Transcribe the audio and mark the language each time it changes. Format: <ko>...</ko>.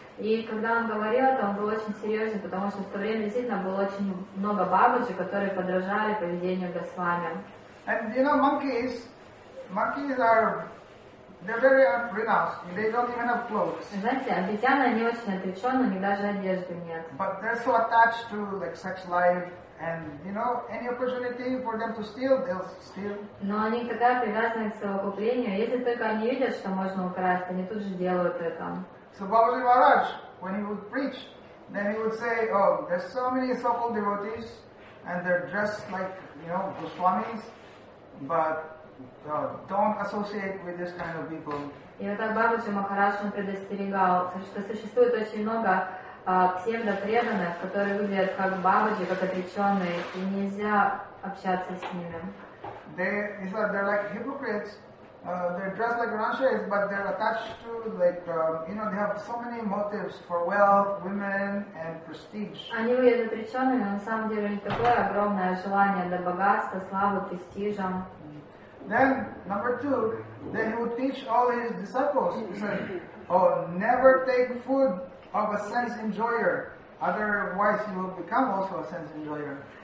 <ru>И когда он говорил, то он был очень серьезен, потому что в то время действительно было очень много Бабаджи, которые подражали поведению Госвами.</ru> <en>And you know monkeys are they're very unrenounced. They don't even have clothes.</en> <ru>Знаете, обезьяны они очень отречены, у них даже одежды нет.</ru> <en>But they're so attached to like sex life. And you know, any opportunity for them to steal, they'll steal.</en> <ru>Но они такая привязана к совокуплению. Если только они видят, что можно украсть, они тут же делают это.</ru> <en>So Babaji Maharaj, when he would preach, then he would say, oh, there's so many so-called devotees, and they're dressed like, you know, Goswamis, but Don't associate with this kind of people.</en> <ru>И вот так Бабаджи Махарадж предостерегал, что существует очень много псевдопреданных, которые выглядят как Бабаджи, как отреченные, и нельзя общаться с ними.</ru> <en>They're like hypocrites. They're dressed like Rashis, but they're attached to, they have so many motives for wealth, women, and prestige.</en> <ru>Они выглядят отреченными, но на самом деле у них такое огромное желание для богатства, славы, престижа.</ru> <en>Then, number two, then he would teach all his disciples, he said, oh, never take food of a sense enjoyer, otherwise you will become also a sense enjoyer.</en>